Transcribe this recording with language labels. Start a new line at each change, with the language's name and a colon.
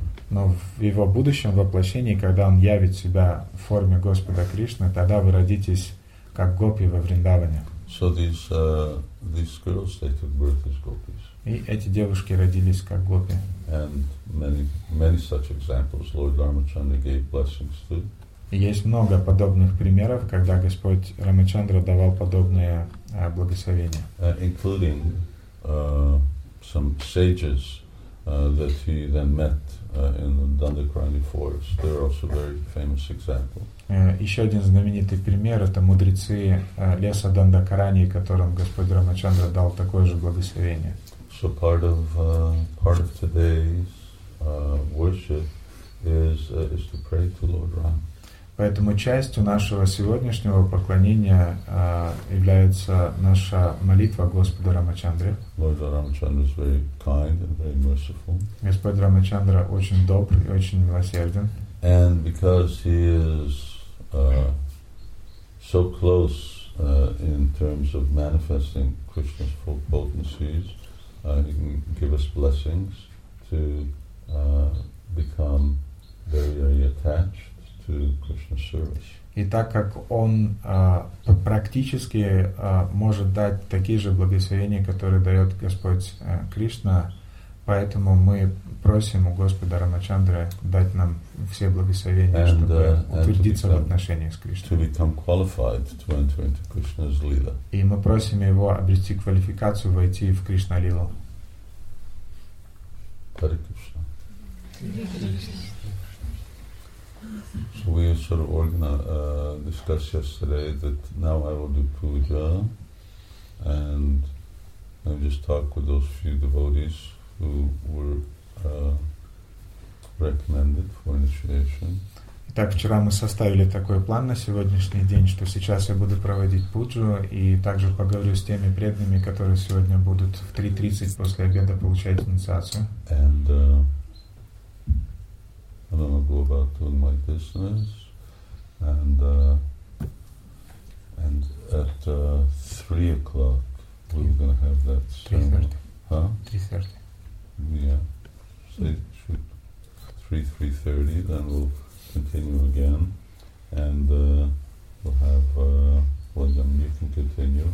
Russian: Но в его будущем воплощении, когда он явит себя в форме Господа Кришны, тогда вы родитесь как гопи во Вриндаване.
English: So these girls, they took birth as gopis.
Russian: И эти девушки родились как гопи.
English: And many such examples Lord Ramachandra gave blessings to.
Russian: Есть много подобных примеров, когда Господь Рамачандра давал подобные благословения.
English: Including some sages that he then met in the Dandakarani forest. They're also very famous examples.
Russian: Еще один знаменитый пример — это мудрецы леса Дандакарани, которым Господь Рамачандра дал такое же благословение.
English: So part of today's worship is to pray to Lord Ram.
Russian: Поэтому частью нашего сегодняшнего поклонения является наша молитва Господу Рамачандре.
English: Lord Ramachandra is very kind and very merciful.
Russian: Господь Рамачандра очень добр и очень милосерден.
English: And because he is so close in terms of manifesting Krishna's full potencies, he can give us blessings to become very, very attached to Krishna's service.
Russian: И так как он практически может дать такие же благословения, которые дает Господь Кришна, поэтому мы просим у Господа Рамачандры дать нам все благословения, чтобы утвердиться в отношениях с Кришной.
English: To become qualified to enter into Krishna's Lila.
Russian: И мы просим его обрести квалификацию войти в Кришна Лилу.
English: Hare Krishna. So we sort of discussed yesterday that now I will do puja and I just talk with those few devotees who were recommended for initiation.
Russian: Итак, вчера мы составили такой план на сегодняшний день, что сейчас я буду проводить пуджу и также поговорю с теми преданными, которые сегодня будут в 3:30 после обеда получать инициацию.
English: And I don't know, go about doing my business, and at 3:00 we're gonna have that ceremony, huh? 3:30. Yeah, say shoot 3:30, then we'll continue again, and we'll have well, you can continue.